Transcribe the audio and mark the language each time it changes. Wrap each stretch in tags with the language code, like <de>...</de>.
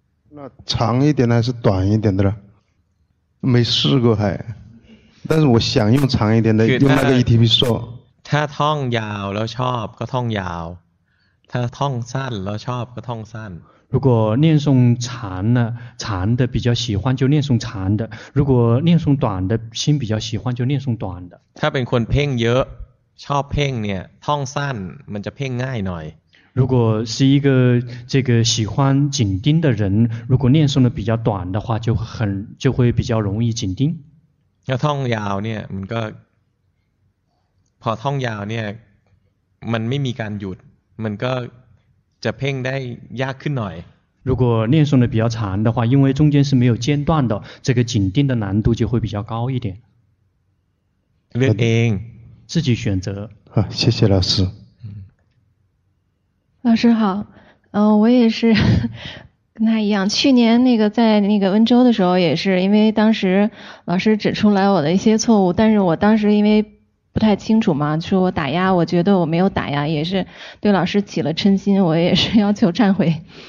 <zh>那长一点的还是短一点的了没试过还但是我想用长一点的用那个ETP说</zh> <th>ถ้าท่องยาวแล้วชอบก็ท่องยาวถ้าท่องสั้นแล้วชอบก็ท่องสั้น</th> <zh>如果念诵长呢长的比较喜欢就念诵长的如果念诵短的心比较喜欢就念诵短的</zh> <th>ถ้าเป็นคนเพ่งเยอะชอบเพ่งเนี่ยท่องสั้นมันจะเพ่งง่ายหน่อย</th> <zh>如果是一个这个喜欢紧盯的人如果念诵的比较短的话就会比较容易紧盯要</zh> <th>ท่องยาวเนี่ยมันก็พอท่องยาวเนี่ยมันไม่มีการหยุดมันก็จะเพ่งได้ยากขึ้นหน่อย</th> <zh>如果念诵的比较长的话因为中间是没有间断的这个紧盯的难度就会比较高一点</zh> <th>เลือกเอง</th> <zh>自己选择好谢谢老师老师好我也是跟他一样去年那个在那个温州的时候也是因为当时老师指出来我的一些错误但是我当时因为不太清楚嘛说我打压我觉得我没有打压也是对老师起了嗔心我也是要求忏悔</zh>